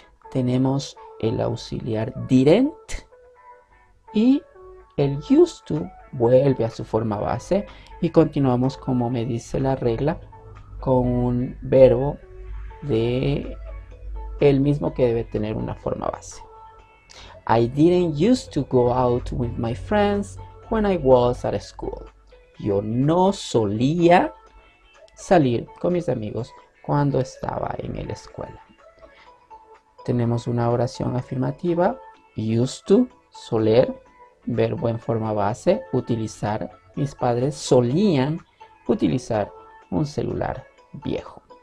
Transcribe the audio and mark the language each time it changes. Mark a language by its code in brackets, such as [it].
[es] Tenemos el auxiliar didn't y el used to vuelve a su forma base y continuamos como me dice la regla con un verbo de el mismo que debe tener una forma base. [en] I didn't used to go out with my friends when I was at school. [es] Yo no solía salir con mis amigos cuando estaba en la escuela. Tenemos una oración afirmativa, used to, soler, verbo en forma base, utilizar. Mis padres solían utilizar un celular viejo.